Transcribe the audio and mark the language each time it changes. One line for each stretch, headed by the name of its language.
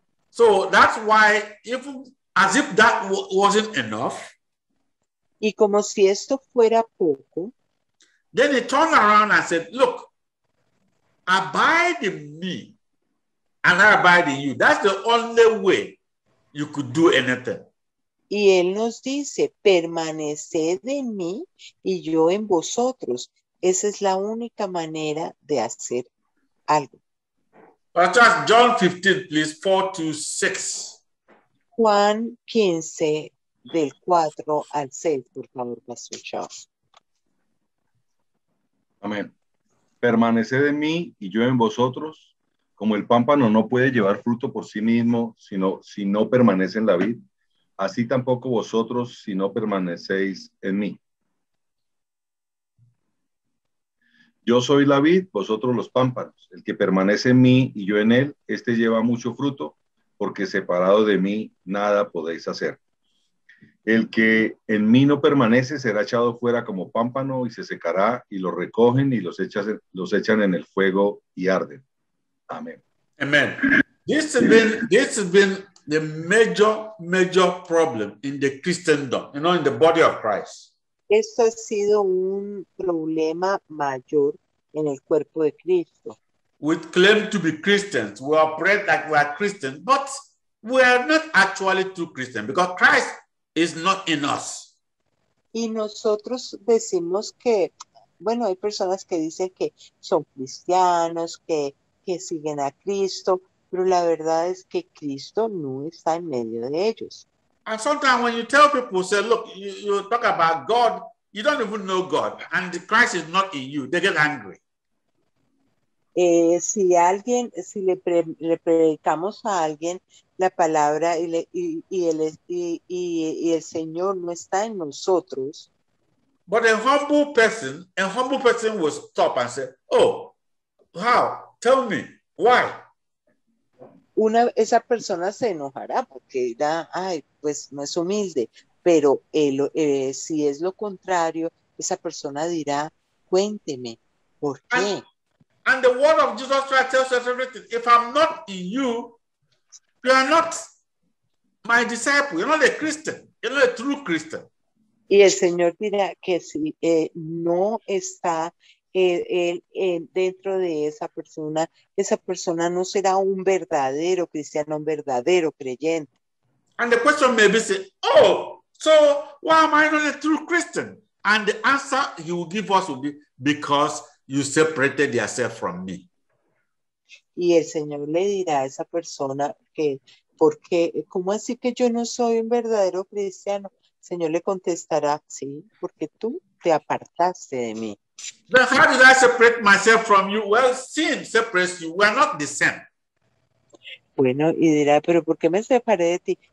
English: So that's why, even as if that wasn't enough,
Spanish: y como si esto fuera poco,
English: then he turned around and said, look, abide in me and I abide in you. That's the only way you could do anything.
Spanish: Y él nos dice, permaneced en mí y yo en vosotros. Esa es la única manera de hacer algo. Pastor, John 15, please, 4 to 6. Juan 15, del 4 al 6, por favor, Pastor Charles. Amén. Permaneced en mí y yo en vosotros, como el pámpano no puede llevar fruto por sí mismo, sino si no permanece en la vid, así tampoco vosotros si no permanecéis en mí. Yo soy la vid, vosotros los pámpanos. El que permanece en mí y yo en él, este lleva mucho fruto, porque separado de mí nada podéis hacer. El que en mí no permanece será echado fuera como pámpano y se secará, y lo recogen y los echan en el fuego y arden. Amén.
English: Amen. This has been the major problem in the Christendom, you know, in the body of Christ.
Spanish: Esto ha sido un problema mayor en el cuerpo de Cristo.
English: We claim to be Christians. We operate like we are Christians, but we are not actually true Christians because Christ is not in us.
Spanish: Y nosotros decimos que, bueno, hay personas que dicen que son cristianos, que siguen a Cristo, pero la verdad es que Cristo no está en medio de ellos.
English: And sometimes when you tell people, say, look, you talk about God, you don't even know God, and the Christ is not in you, they get angry.
Spanish: Si le predicamos a alguien la palabra y el Señor no está en nosotros.
English: But a humble person will stop and say, oh, how? Tell me, why?
Spanish: Esa persona se enojará porque dirá, ay, pues no es humilde. Pero si es lo contrario, esa persona dirá, cuénteme, ¿por qué?
English: And the word of Jesus Christ tells us everything. If I'm not in you, you are not my disciple. You're not a Christian. You're not a true Christian.
Spanish: Y el Señor dirá que si no está dentro de esa persona no será un verdadero cristiano, un verdadero creyente.
English: And the question may be, oh, so why am I not a true Christian? And the answer he will give us will be, because you separated yourself from me.
Spanish: Y el Señor le dirá a esa persona que, porque, ¿cómo así que yo no soy un verdadero cristiano? El Señor le contestará, sí, porque tú te apartaste de mí.
English: Then how did I separate myself from you? Well, sin separates you. We are not the same.
Spanish: Bueno, y dirá, pero ¿por qué me separé de ti?